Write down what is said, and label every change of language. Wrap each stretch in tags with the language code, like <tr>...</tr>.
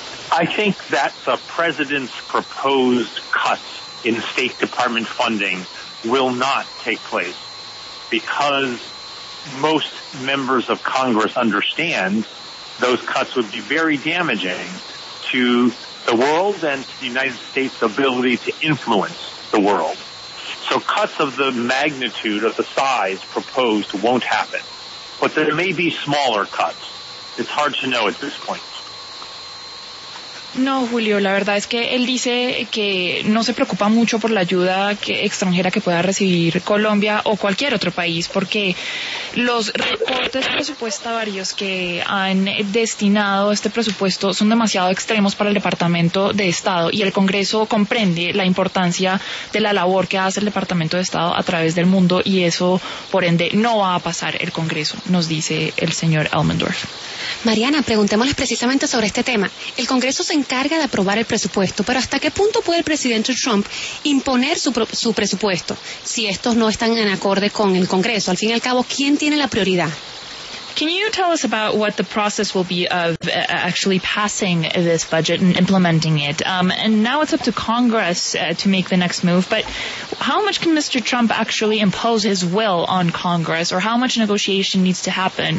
<en>I think that the president's proposed cuts in State Department funding will not take place because most members of Congress understand those cuts would be very damaging to the world and to the United States' ability to influence the world. So cuts of the magnitude of the size proposed won't happen, but there may be smaller cuts. It's hard to know at this point.</en> <es>No, Julio, la verdad es que él dice que no se preocupa mucho por la ayuda extranjera que pueda recibir Colombia o cualquier otro país, porque los recortes presupuestarios que han destinado este presupuesto son demasiado extremos para el Departamento de Estado, y el Congreso comprende la importancia de la labor que hace el Departamento de Estado a través del mundo, y eso, por ende, no va a pasar el Congreso, nos dice el señor Elmendorf. Mariana, preguntémosle precisamente sobre este tema. El Congreso se encarga de aprobar el presupuesto, pero ¿hasta qué punto puede el presidente Trump imponer su presupuesto si estos no están en acorde con el Congreso? Al fin y al cabo, ¿quién tiene la prioridad?</es> <en>Can you tell us about what the process will be of actually passing this budget and implementing it? And now it's up to Congress to make the next move, but how much can Mr. Trump actually impose his will on Congress, or how much negotiation needs to happen?</en>